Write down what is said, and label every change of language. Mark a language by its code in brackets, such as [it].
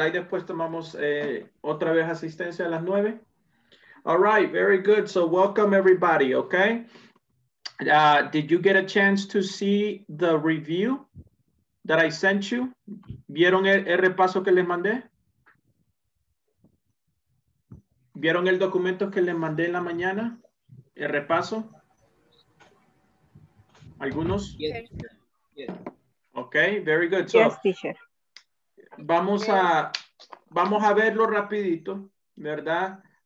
[es] Ahí después tomamos otra vez asistencia a las 9. [en] All right, very good. So welcome everybody, okay? Did you get a chance to see the review that I sent you? [es] ¿Vieron el repaso que les mandé? ¿Vieron el documento que les mandé en la mañana? ¿El repaso? ¿Algunos? [en] Yes. Okay, very good. So, yes, teacher. [es] Vamos a verlo rapidito, ¿verdad?